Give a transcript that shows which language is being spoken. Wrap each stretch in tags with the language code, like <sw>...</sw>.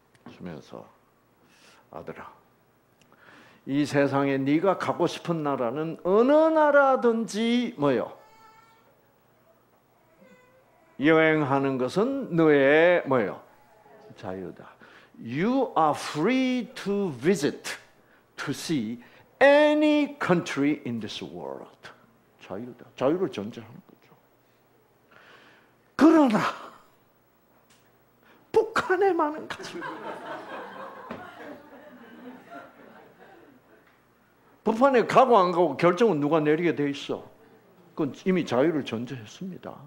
<ko>주면서 아들아 이 세상에 네가 가고 싶은 나라는 어느 나라든지 뭐요? 여행하는 것은 너의 뭐요? 자유다.</ko> <en>You are free to visit, to see any country in this world.</en> <ko>자유다. 자유를 전제하는 거죠. 그러나 북한에만은 가지 북한에 가고 안 가고 결정은 누가 내리게 돼 있어? 그건 이미 자유를 전제했습니다.</ko>